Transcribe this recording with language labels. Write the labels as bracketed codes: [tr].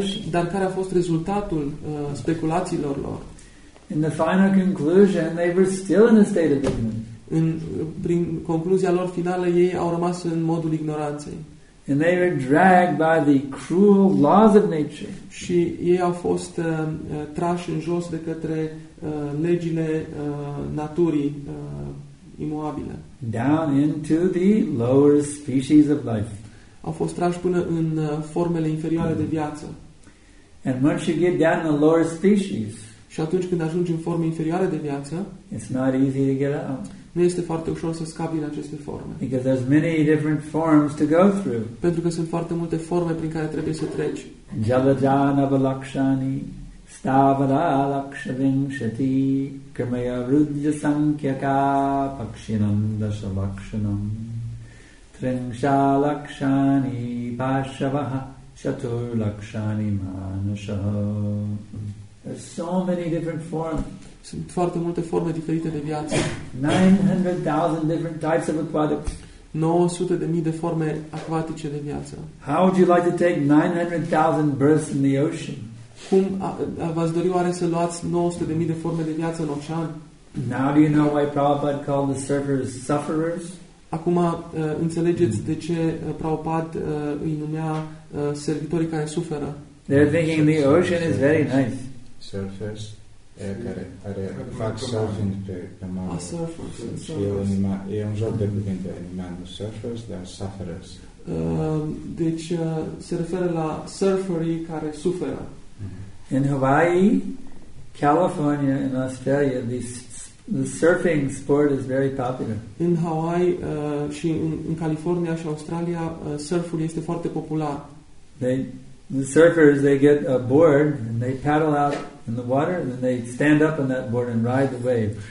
[ro] Dar care a fost rezultatul speculațiilor lor? [en] In the final conclusion, they were still in a state of ignorance. [ro] Prin concluzia lor finală, ei au rămas în modul ignoranței. [en] And they were dragged by the cruel laws of nature. [ro] Și ei au fost trași în jos de către legile naturii imuabile. [en] Down into the lower species of life. [ro] Au fost trași până în formele inferioare de viață. [en] And once you get down in the lower species, [ro] și atunci când ajungi în forme inferioare de viață, [en] it's not easy to get out. [ro] Nu este foarte ușor să scapi din aceste forme. [en] Because there's many different forms to go through. [ro] Pentru că sunt foarte multe forme prin care trebuie să treci. [sa] Jalajana valakshani, stavara lakshavinshati, kamaya rudya sankhyaka pakshinam dashalakshanam. Trinsha lakshani pashavaha chatur lakshani manushaha. [en] There's so many different forms. [ro] Sunt foarte multe forme diferite de viață. [en] 900,000 different types of aquatic. [ro] 900,000 de forme acvatice de viață. [en] How would you like to take 900,000 births in the ocean? [ro] Cum v-ați dori oare să luați 900,000 de forme de viață în ocean? [en] Now do you know why Prabhupada called the surfers sufferers? [ro] Acum înțelegeți de ce Prabhupada îi numea servitorii care suferă. [en] They're thinking the ocean is very nice. [ro] Surfers, care fac surfing pe mare. [en] Surfers. [ro] E un joc de cuvinte. [en] Surfers, they are sufferers. [ro] Deci se referă la surferii care suferă. [en] In Hawaii, California and Australia, the surfing sport is very popular. [ro] In Hawaii și în California și Australia, surful este foarte popular. [en] The surfers, they get a board and they paddle out in the water, and then they stand up on that board and ride the wave.